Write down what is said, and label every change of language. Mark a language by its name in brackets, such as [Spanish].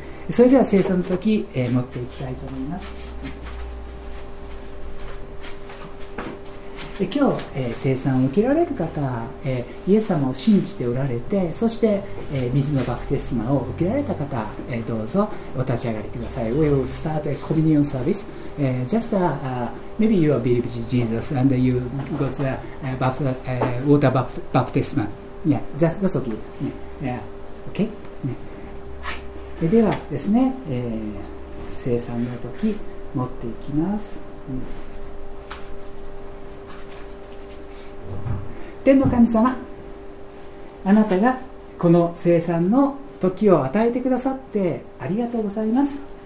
[Japanese] それでは聖書の時、持っていきたいと思います。今日、聖餐を受けられる方、イエス様を信じておられて、そして、水のバプテスマを受けられた方、どうぞお立ち上がりください。 [English] We will start a communion service、just maybe you are believe Jesus and you go to water baptism. Yeah, that's okay. Yeah. Okay.、Yeah. [Japanese] はい、ではですね、聖餐の時持っていきます。天の神様、あなたがこの聖餐の時を与えてくださってありがとうございます。